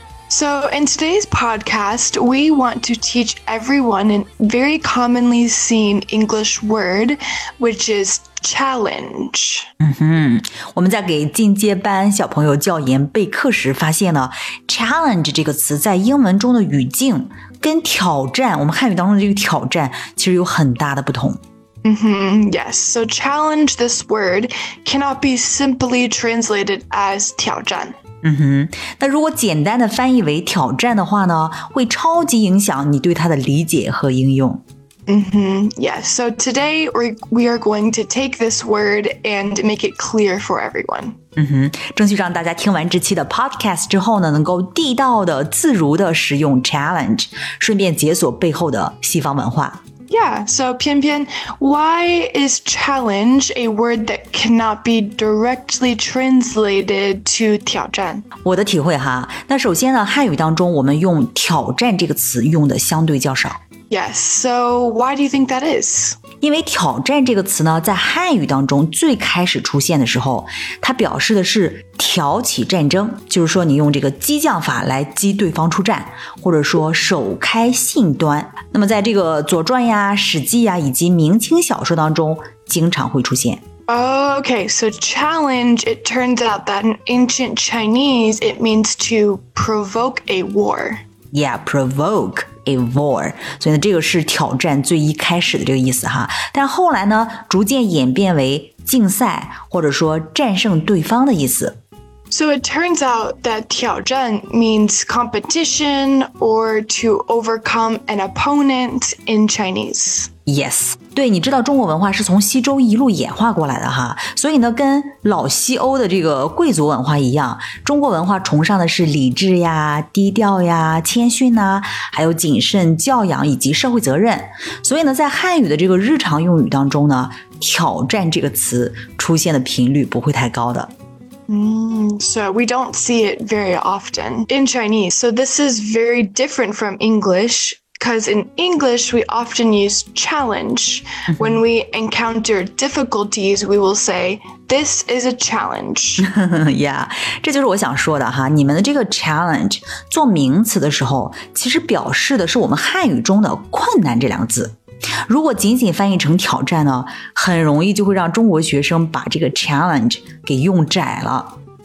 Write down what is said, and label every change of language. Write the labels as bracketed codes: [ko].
[en] So in today's podcast, we want to teach everyone a very commonly seen English word, which is challenge. [zh] 我们在给进阶班小朋友教研备课时发现呢 challenge 这个词在英文中的语境跟挑战，我们汉语当中的这个挑战其实有很大的不同。 [en] Yes, so challenge, this word, cannot be simply translated as 挑战。 [zh] 那如果简单的翻译为挑战的话呢，会超级影响你对它的理解和应用。 [en] Yes, so today we are going to take this word and make it clear for everyone. [zh] 争取让大家听完这期的 podcast 之后呢，能够地道的、自如的使用 challenge， 顺便解锁背后的西方文化。 [en] Yeah, so Pianpian, why is challenge a word that cannot be directly translated to 挑战？ [zh] 我的体会哈，那首先呢，汉语当中我们用挑战这个词用的相对较少。 [en] Yes, so why do you think that is? [zh] 因为挑战这个词呢，在汉语当中最开始出现的时候，它表示的是挑起战争，就是说你用这个激将法来激对方出战，或者说首开信端。那么在这个左传呀、史记呀以及明清小说当中经常会出现。 [en] Okay, so challenge, it turns out that in ancient Chinese, it means to provoke a war. Yeah, provoke. A war， [zh] 所以呢，这个是挑战最一开始的这个意思哈。但后来呢，逐渐演变为竞赛或者说战胜对方的意思。 [en] So it turns out that 挑战 means competition or to overcome an opponent in Chinese. [zh] Yes， 对，你知道中国文化是从西周一路演化过来的哈，所以呢，跟老西欧的这个贵族文化一样，中国文化崇尚的是理智呀、低调呀、谦逊呐、还有谨慎教养以及社会责任。所以呢，在汉语的这个日常用语当中呢，挑战这个词出现的频率不会太高的。 [en] So we don't see it very often in Chinese. So this is very different from English, because in English, we often use challenge. When we encounter difficulties, we will say, this is a challenge. [zh] Yeah, 这就是我想说的哈。你们的这个 challenge 做名词的时候，其实表示的是我们汉语中的困难这两个字。如果仅仅翻译成挑战呢，很容易就会让中国学生把这个 challenge 给用窄了。